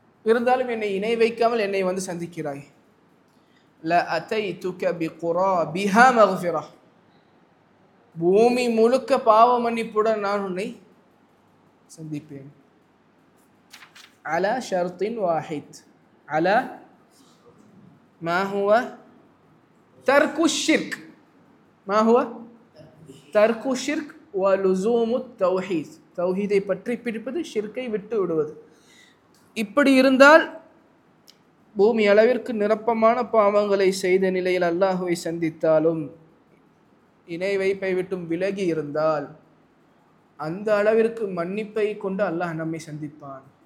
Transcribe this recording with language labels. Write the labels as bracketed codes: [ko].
[ta] இருந்தாலும் என்னை இணை வைக்காமல் என்னை வந்து சந்திக்கிறாய், [ar] لَأَتَيْتُكَ بِقُرَابِهَا مَغْفِرَةً [ta] பூமி முழுக்க பாவ மன்னிப்புடன் நான் உன்னை சந்திப்பேன். [ar] على شرط واحد على ما هو ترك الشرك ما هو ترك الشرك ولزوم التوحيد توحيدை [ta] பற்றி பிடிப்பது ஷிர்கை விட்டு விடுவது. இப்படி இருந்தால் பூமி அளவிற்கு நிரப்பமான பாவங்களை செய்த நிலையில் அல்லாஹுவை சந்தித்தாலும் இணை வைப்பை விட்டும் விலகி இருந்தால் அந்த அளவிற்கு மன்னிப்பை கொண்டு அல்லாஹ் நம்மை சந்திப்பான்.